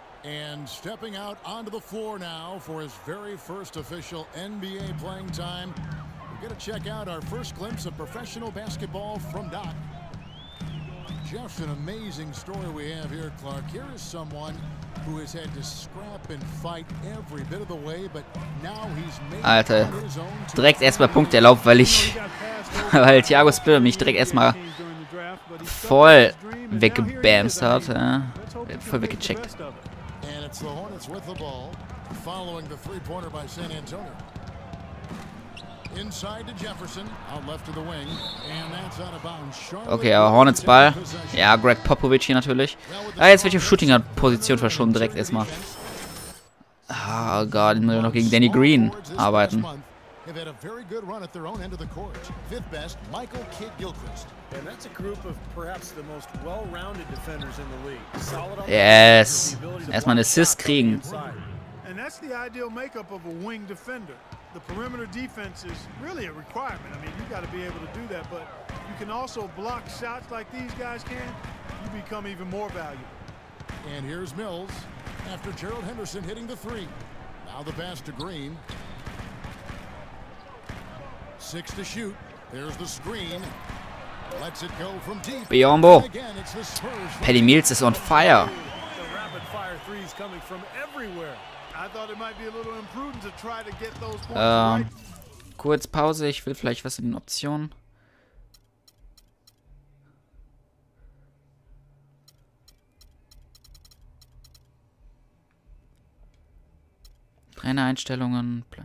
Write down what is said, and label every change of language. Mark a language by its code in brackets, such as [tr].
[en] And stepping out onto the floor now for his very first official NBA playing time. We're going to check out our first glimpse of professional basketball from Doc. Just an amazing story we have here, Clark. Here is someone who has had to scrap and fight every bit of the way, but now he's made [de] Alter, direkt erstmal Punkt erlaubt, weil ich, weil Thiago Spill mich direkt erstmal voll weggebamst hat, ja. Voll weggecheckt. [en] And it's the Hornets with the ball, following the three-pointer by San Antonio. Inside to Jefferson, out left to the wing, and that's out of bounds. [de] Okay, aber Hornets Ball. Ja, Greg Popovich hier natürlich. Ah, jetzt welche Shooting-Position verschwunden direkt erstmal. Oh Gott, ich muss noch gegen Danny Green arbeiten. [en] They've had a very good run at their own end of the court. Fifth best, Michael Kidd-Gilchrist. And that's a group of perhaps the most well-rounded defenders in the league. Yes. [de] Erstmal einen Assist kriegen. [en] And that's the ideal makeup of a wing defender. The perimeter defense is really a requirement. I mean, you got to be able to do that, but you can also block shots like these guys can. You become even more valuable. And here's Mills after Gerald Henderson hitting the three. Now the pass to Green. Six to shoot. There's the screen. Let's it go from deep. Biombo. Patty Mills is on fire. The rapid fire three is coming from everywhere. I thought it might be a little imprudent to try to get those points. [de] Kurz Pause, ich will vielleicht was in den Optionen. Trainereinstellungen.